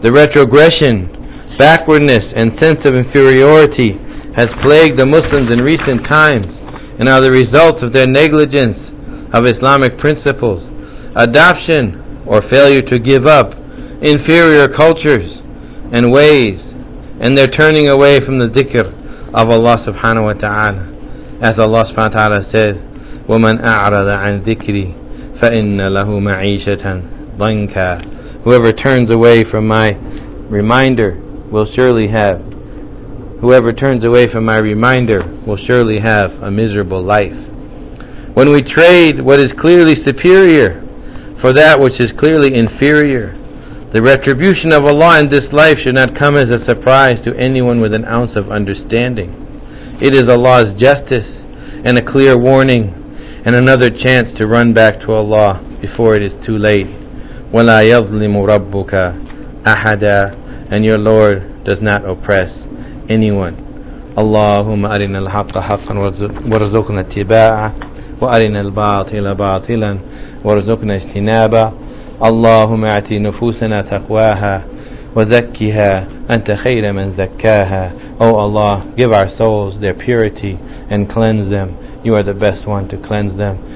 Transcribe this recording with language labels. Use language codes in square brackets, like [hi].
[en] The retrogression, backwardness, and sense of inferiority has plagued the Muslims in recent times and are the result of their negligence of Islamic principles, adoption or failure to give up inferior cultures and ways, and they're turning away from the dhikr of Allah subhanahu wa ta'ala. As Allah subhanahu wa ta'ala says, [ar] وَمَنْ أَعْرَضَ عَنْ ذِكْرِي فَإِنَّ لَهُ مَعِيشَةً ضَنْكَ. [en] Whoever turns away from my reminder will surely have, whoever turns away from my reminder will surely have a miserable life. When we trade what is clearly superior for that which is clearly inferior, the retribution of Allah in this life should not come as a surprise to anyone with an ounce of understanding. It is Allah's justice and a clear warning and another chance to run back to Allah before it is too late. [ar] وَلَا يَظْلِمُ رَبُّكَ أَحَدًا. [en] And your Lord does not oppress anyone. [ar] اللهم أرنا الحق حقا وارزقنا اتباعه وأرنا الباطل باطلا وارزقنا اجتنابه. اللهم اعطي نفوسنا تقواها وزكها أنت خير من زكاها. [en] Oh Allah, give our souls their purity and cleanse them. You are the best one to cleanse them.